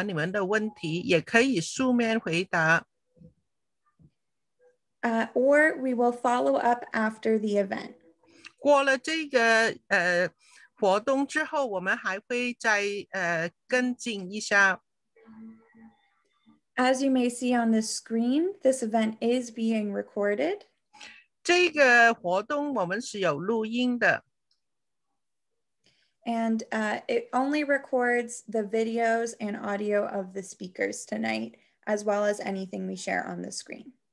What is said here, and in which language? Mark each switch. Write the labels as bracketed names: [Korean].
[Chinese] 我们也可以选择在我们还在这个活动当中我们可以回答你们的问题也可以书面回答。 [English] Or we will follow up after the event. [Chinese] 过了这个活动之后,我们还会再跟进一下。 [English] As you may see on the screen, this event is being recorded. [Chinese] 这个活动我们是有录音的。 [English] And it only records the videos and audio of the speakers tonight, as well as anything we share on the screen.